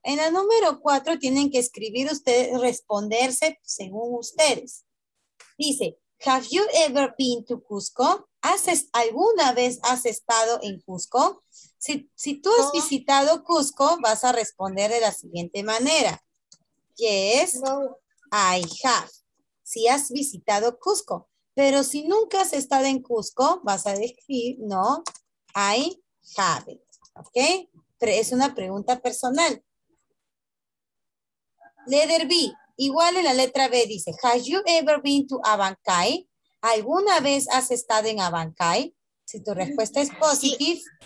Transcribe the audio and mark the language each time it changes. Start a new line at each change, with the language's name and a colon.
Spanish: En la número cuatro tienen que escribir ustedes, responderse según ustedes. Dice,
English: have you ever been to Cusco?
Spanish: ¿Alguna vez has estado en Cusco? Si tú has visitado Cusco, vas a responder de la siguiente manera.
English: Yes, no. I have.
Spanish: Si has visitado Cusco. Pero si nunca has estado en Cusco, vas a decir,
English: no, I haven't.
Spanish: ¿Ok? Pero es una pregunta personal.
English: Letter B.
Spanish: Igual en la letra B dice,
English: have you ever been to Abancay?
Spanish: ¿Alguna vez has estado en Abancay? Si tu respuesta es positive, sí.